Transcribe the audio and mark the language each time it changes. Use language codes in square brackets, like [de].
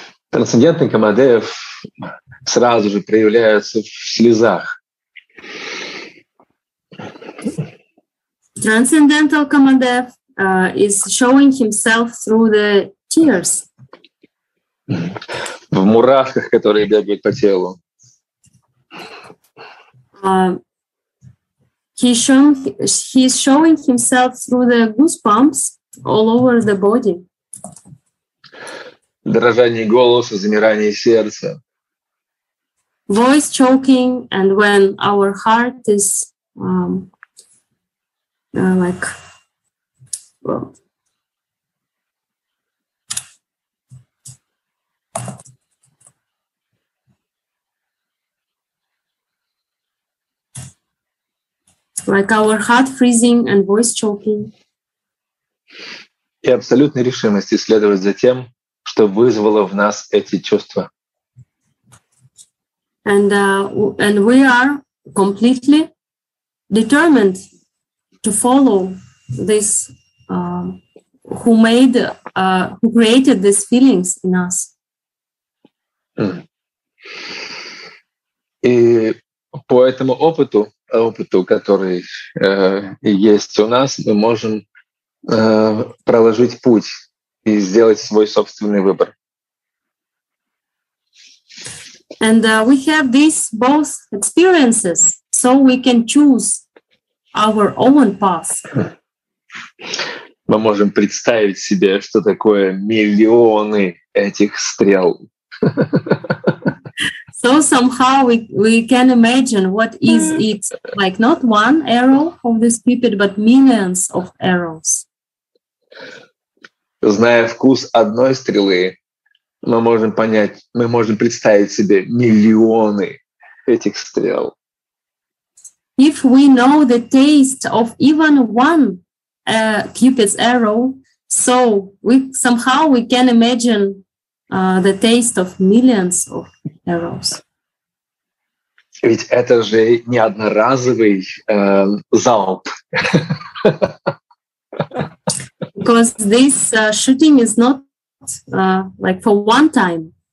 [ru] Трансцендентный Камадев сразу же проявляется в слезах. [en] Transcendental Камадев is showing himself through the tears. [ru] В мурашках, которые бегают по телу. [en] He's showing himself through the goosebumps all over the body. [ru] Дрожание голоса, замирание сердца. [en] Voice choking and when our heart is like our heart freezing and voice choking. [ru] И абсолютной решимости следовать за тем, что вызвало в нас эти чувства. [en] And we are completely determined to follow this who created these feelings in us. [ru] И по этому опыту, который есть у нас, мы можем проложить путь и сделать свой собственный выбор. [en] And we have these both experiences, so we can choose our own path. [ru] Мы можем представить себе, что такое миллионы этих стрел. [en] So somehow we can imagine what is it, like not one arrow of this Cupid, but millions of arrows. [ru] Зная вкус одной стрелы, мы можем понять, мы можем представить себе миллионы этих стрел. [en] If we know the taste of even one Cupid's arrow, so we somehow we can imagine the taste of millions of arrows. [ru] Ведь это же не одноразовый залп. [en] Because this shooting is not like for one time.